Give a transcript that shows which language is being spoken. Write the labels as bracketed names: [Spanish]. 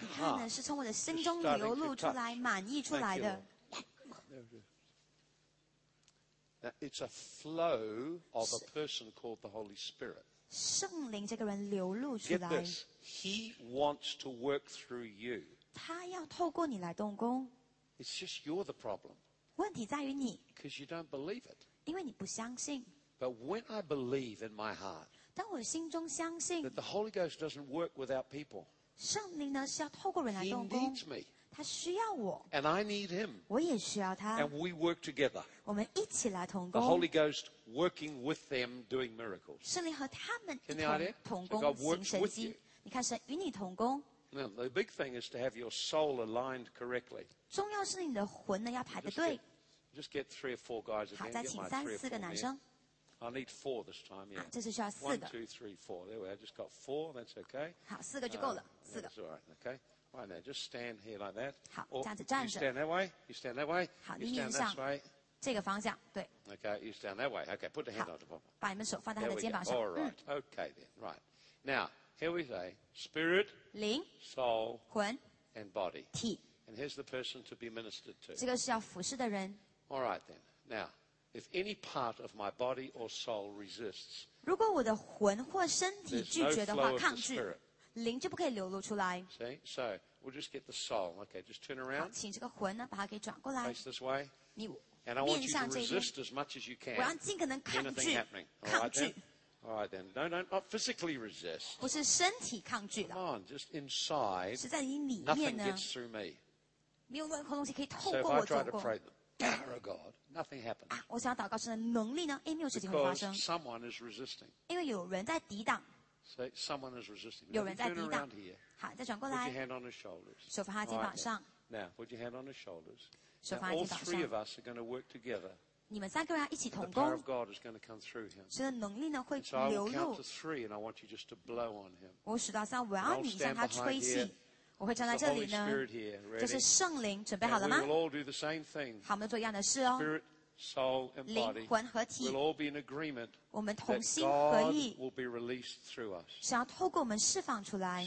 [Chinese] 你看呢，是从我的心中流露出来，满溢出来的。 [English] Now, it's a flow of a person called the Holy Spirit. [Chinese] 圣灵这个人流露出来。 [English] Get this, He wants to work through you. [Chinese] 他要透过你来动工。 [English] It's just you're the problem. [Chinese] 问题在于你。 [English] Because you don't believe it. [Chinese] 因为你不相信。 [English] But when I believe in my heart, [Chinese] 当我心中相信。 [English] That the Holy Ghost doesn't work without people. [Chinese] 圣灵呢是要透过人来动工。 [English] He needs me. [Chinese] 他需要我。 [English] And I need him. [Chinese] 我也需要他。 [English] And we work together. [Chinese] 我们一起来同工。 [English] The Holy Ghost. Working with them, doing miracles. [Chinese] 圣灵和他们一同同工行神迹。你看神与你同工。 [English] Now the big thing is to have your soul aligned correctly. [Chinese] 重要是你的魂呢要排得对。 [English] Just get three or four guys. [Chinese] 好，再请三四个男生。 [English] I need four this time. Yeah. [Chinese] 这次需要四个。 [English] One, two, three, four. There we are. Just got four. That's okay. [Chinese] 好，四个就够了。四个。 [English] That's all right. Okay. Right now, just stand here like that. [Chinese] 好，这样子站着。 [English] You stand that way. You stand that way. [Chinese] 好，你面向。这个方向对。 [English] Okay, you stand that way. Okay, put the hand on the bottom. [Chinese] 把你们手放在他的肩膀上。 [English] All right. Okay then. Right. Now, here we say, spirit, [Chinese] 灵 [English] soul, [Chinese] 魂 [English] and body, [Chinese] 体 [English] And here's the person to be ministered to. [Chinese] 这个是要服侍的人。 [English] All right then. Now, if any part of my body or soul resists, [Chinese] 如果我的魂或身体拒绝的话，抗拒， [English] there's no flow of the spirit. [Chinese] 灵就不可以流露出来。 [English] See? So, we'll just get the soul. Okay, just turn around. [Chinese] 好，请这个魂呢，把它给转过来。 [English] Face this way. [Chinese] 你 [English] And I want you to resist as much as you can. [Chinese] 我要尽可能抗拒。 [English] Anything happening? All right then. No, no, not physically resist. [Chinese] 不是身体抗拒了。 [English] Come on, just inside. [Chinese] 是在你里面呢。 [English] Nothing gets through me. [Chinese] 没有任何东西可以透过我走过。 [English] So if I try to pray the power of God, nothing happens. [Chinese] 我想要祷告神的能力呢，哎，没有事情会发生。 [English] Because someone is resisting. [Chinese] 因为有人在抵挡。 [English] So someone is resisting. [Chinese] 有人在抵挡。 [English] Turn around here. [Chinese] 好，再转过来。 [English] Put your hand on his shoulders. [Chinese] 手放他肩膀上。 [English] Now, put your hand on his shoulders. [Chinese] 手放在地上。 [English] All three of us are going to work together. [Chinese] 你们三个人要一起同工。 [English] The power of God is going to come through him. [Chinese] 神的能力呢会流入。 [English] So I'll count to three, and I want you just to blow on him. [Chinese] 我数到三，我要你向他吹气。我会站在这里呢，就是圣灵准备好了吗？ [English] We'll all do the same thing. [Chinese] 好，我们做一样的事哦。 [English] Spirit, soul, and body. [Chinese] 灵魂合体。 [English] We'll all be in agreement. [Chinese] 我们同心合意。 [English] That God will be released through us. [Chinese] 是要透过我们释放出来。